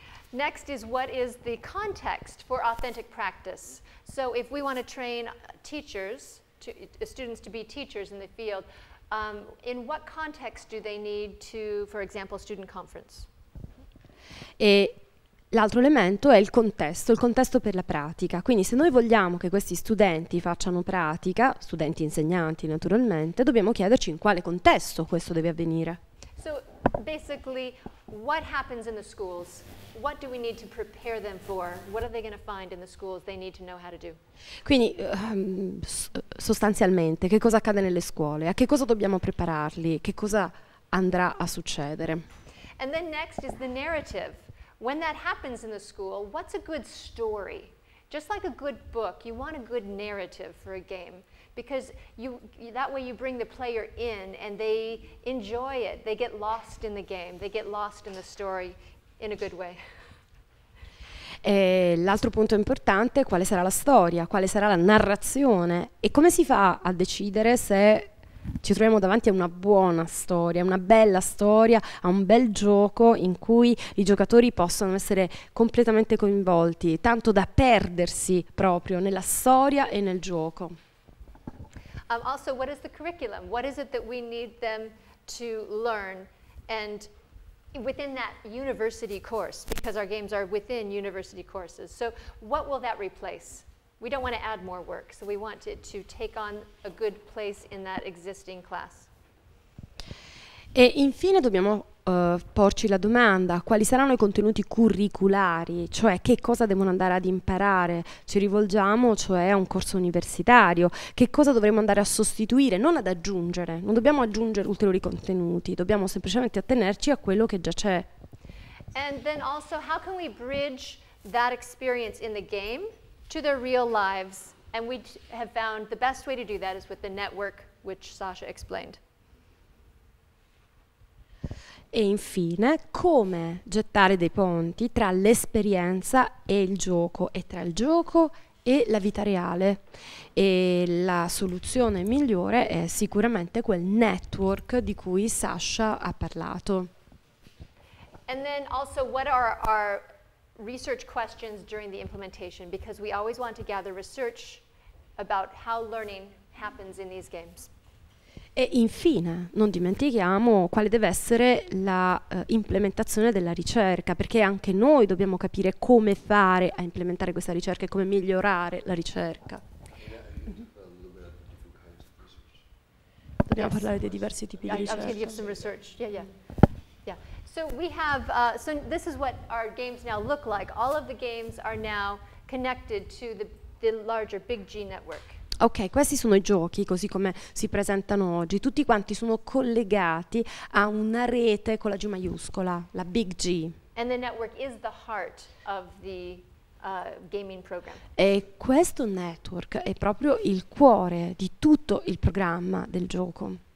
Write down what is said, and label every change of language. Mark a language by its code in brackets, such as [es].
[en] Next is what is the context for authentic practice. So if we want to train teachers, students to be teachers in the field, in what context do they need to, for example, student conference? [it] E l'altro elemento è il contesto per la pratica. Quindi se noi vogliamo che questi studenti facciano pratica, studenti insegnanti naturalmente, dobbiamo chiederci in quale contesto questo deve avvenire. [en] So basically, what happens in the schools? What do we need to prepare them for? What are they going to find in the schools they need to know how to do? [it] Quindi, sostanzialmente, che cosa accade nelle scuole? A che cosa dobbiamo prepararli? Che cosa andrà a succedere? [en] And then next is the narrative. When that happens in the school, what's a good story? Just like a good book, you want a good narrative for a game. Because that way you bring the player in and they enjoy it. They get lost in the game. They get lost in the story. In a good way. [it] E l'altro punto importante è quale sarà la storia, quale sarà la narrazione e come si fa a decidere se ci troviamo davanti a una buona storia, una bella storia, a un bel gioco in cui i giocatori possono essere completamente coinvolti, tanto da perdersi proprio nella storia e nel gioco. [en] Also, what is the curriculum? What is it that we need them to learn? And within that university course, because our games are within university courses, so what will that replace? We don't want to add more work, so we want it to take on a good place in that existing class. [it] E infine dobbiamo porci la domanda, quali saranno i contenuti curriculari, cioè che cosa devono andare ad imparare? Ci rivolgiamo cioè a un corso universitario, che cosa dovremmo andare a sostituire, non ad aggiungere, non dobbiamo aggiungere ulteriori contenuti, dobbiamo semplicemente attenerci a quello che già c'è. [en] And then also how can we bridge that experience in the game to their real lives? And we have found the best way to do that is with the network which Sasha explained. [it] E infine, come gettare dei ponti tra l'esperienza e il gioco, e tra il gioco e la vita reale. E la soluzione migliore è sicuramente quel network di cui Sasha ha parlato. [en] And then also, what are our research questions during the implementation? Because we always want to gather research about how learning happens in these games. [it] E infine, non dimentichiamo quale deve essere la implementazione della ricerca, perché anche noi dobbiamo capire come fare a implementare questa ricerca e come migliorare la ricerca. Dobbiamo parlare dei diversi tipi di ricerca. [en] I'll give you some research. So we have so this is what our games now look like. All of the games are now connected to the larger Big G network. [it] Ok, questi sono i giochi, così come si presentano oggi. Tutti quanti sono collegati a una rete con la G maiuscola, la Big G. [en] And the network is the heart of the gaming program. [it] E questo network è proprio il cuore di tutto il programma del gioco.